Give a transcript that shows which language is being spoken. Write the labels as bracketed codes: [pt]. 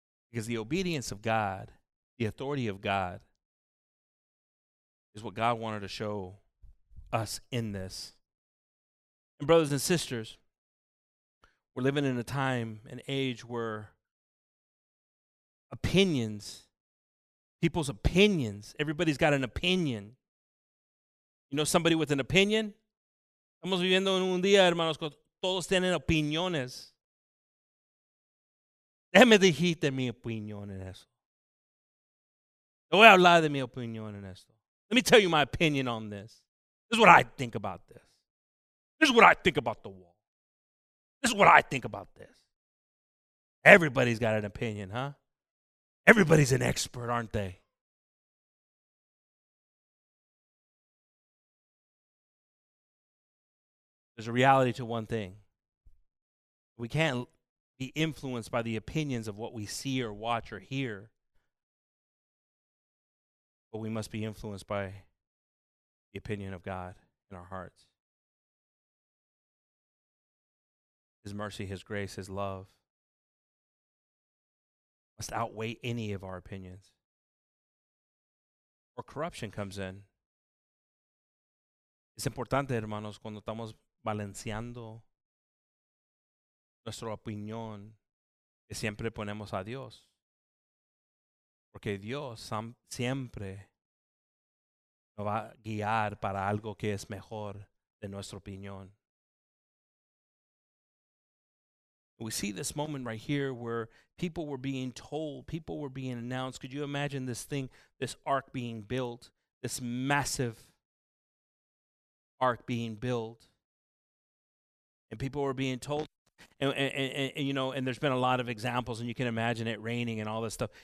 [en] Because the obedience of God, the authority of God, is what God wanted to show us in this. And brothers and sisters, we're living in a time, an age where opinions, people's opinions. Everybody's got an opinion. You know somebody with an opinion? [es] Estamos viviendo en un día, hermanos, que todos tienen opiniones. Déjame decirte mi opinión en esto. Te voy a hablar de mi opinión en esto. [en] Let me tell you my opinion on this. This is what I think about this. This is what I think about the wall. This is what I think about this. Everybody's got an opinion, huh? Everybody's an expert, aren't they? There's a reality to one thing. We can't be influenced by the opinions of what we see or watch or hear. But we must be influenced by the opinion of God in our hearts. His mercy, his grace, his love must outweigh any of our opinions. Or corruption comes in. [es] Es importante, hermanos, cuando estamos balanceando nuestra opinión que siempre ponemos a Dios. Porque Dios siempre nos va a guiar para algo que es mejor de nuestra opinión. [en] We see this moment right here where people were being told, people were being announced. Could you imagine this thing, this ark being built, this massive ark being built? And people were being told, and you know, and there's been a lot of examples, and you can imagine it raining and all this stuff.